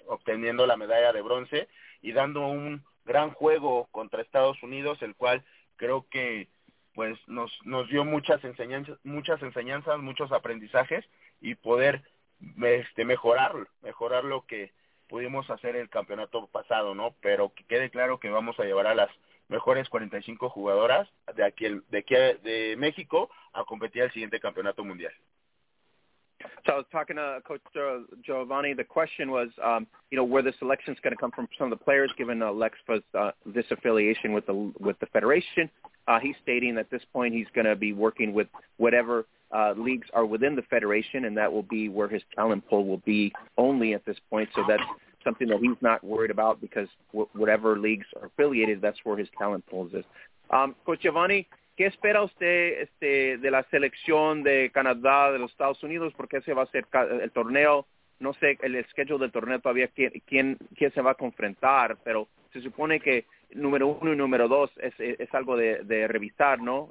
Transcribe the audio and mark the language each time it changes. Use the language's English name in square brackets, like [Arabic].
[Spanish] Obteniendo la medalla de bronce y dando un gran juego contra Estados Unidos, el cual creo que pues nos dio muchas enseñanzas, muchos aprendizajes, y poder mejorar lo que pudimos hacer el campeonato pasado, ¿no? Pero que quede claro que vamos a llevar a las mejores 45 jugadoras de México a competir al siguiente campeonato mundial. [English] So I was talking to Coach Giovanni. The question was, where the selection is going to come from some of the players, given Lexpa's disaffiliation with the federation. He's stating that at this point he's going to be working with whatever leagues are within the federation, and that will be where his talent pool will be only at this point. So that's something that he's not worried about, because whatever leagues are affiliated, that's where his talent pool is. [Spanish] Coach Giovanni, ¿qué espera usted de la selección de Canadá, de los Estados Unidos? Porque ese va a ser el torneo. No sé el schedule del torneo todavía, quién se va a confrontar, pero se supone que número uno y número dos es algo de revisar, ¿no?